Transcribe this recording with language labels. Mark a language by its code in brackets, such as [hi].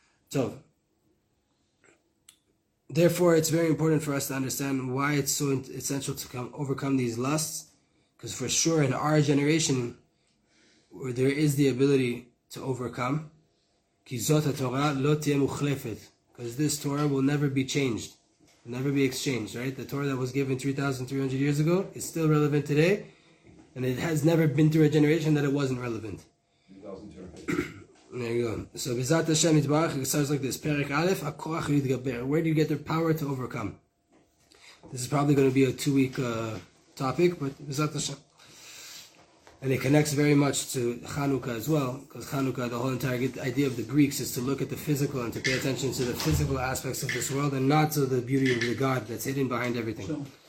[en] So, therefore, it's very important for us to understand why it's so essential to overcome these lusts, because for sure in our generation, where there is the ability to overcome, [he] כי זאת התורה לא תהיה מוחלפת, [en] because this Torah will never be changed, will never be exchanged, right? The Torah that was given 3,300 years ago is still relevant today, and it has never been through a generation that it wasn't relevant. There you go. So [he] בזאת השם יתברך, [en] it starts like this, [he] פרק א', הכוח להתגבר. [en] Where do you get the power to overcome? This is probably going to be a two-week topic, but [he] בזאת השם. [en] And it connects very much to Chanukah as well, because Chanukah, the whole entire idea of the Greeks is to look at the physical and to pay attention to the physical aspects of this world and not to the beauty of the God that's hidden behind everything. Sure.